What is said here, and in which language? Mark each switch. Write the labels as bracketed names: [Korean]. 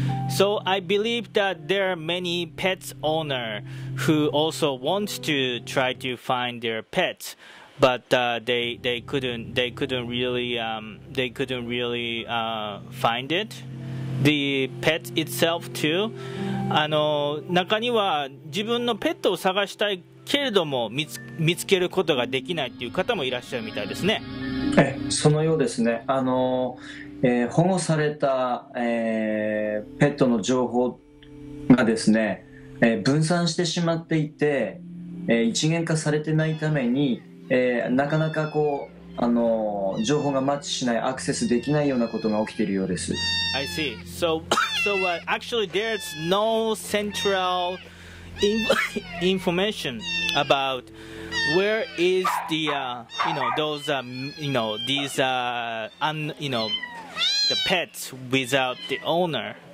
[English] So I believe that there are many pets owners who also want to try to find their pets, but they couldn't really find it. The pet itself too. [Japanese] あの中には自分のペットを探したいけれども見つけることができないという方もいらっしゃるみたいですね。そのようですね。あの、保護された、ペットの情報がですね、分散してしまっていて、一元化されてないために、なかなかこう、あの、情報がマッチしない、アクセスできないようなことが起きているようです。 [English] I see. So, actually there's no central information about where is the, the pets without the owner.